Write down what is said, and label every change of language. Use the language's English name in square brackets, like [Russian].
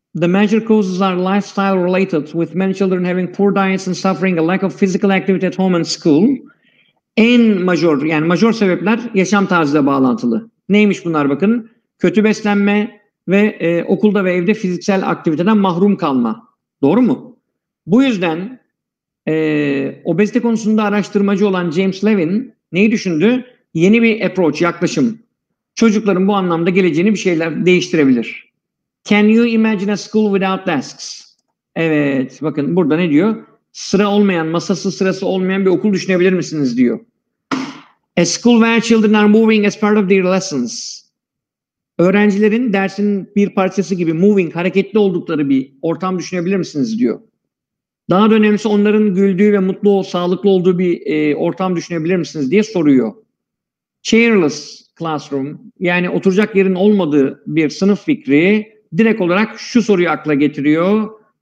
[English] The major causes are lifestyle related with many children having poor diets and suffering a lack of physical activity at home and school. [Turkish] En major, yani major sebepler yaşam tarzıyla bağlantılı. Neymiş bunlar bakın? Kötü beslenme ve okulda ve evde fiziksel aktiviteden mahrum kalma. Doğru mu? Bu yüzden obezite konusunda araştırmacı olan James Levin neyi düşündü? Yeni bir approach, yaklaşım. Çocukların bu anlamda geleceğini bir şeyler değiştirebilir. [English] Can you imagine a school without desks? [Turkish] Evet, bakın burada ne diyor? Sıra olmayan, masası sırası olmayan bir okul düşünebilir misiniz diyor. [English] A school where children are moving as part of their lessons. [Turkish] Öğrencilerin dersin bir parçası gibi moving, hareketli oldukları bir ortam düşünebilir misiniz diyor. Daha da önemlisi onların güldüğü ve mutlu, sağlıklı olduğu bir ortam düşünebilir misiniz diye soruyor. Chairless classroom, yani oturacak yerin olmadığı bir sınıf fikri direkt olarak şu soruyu akla getiriyor.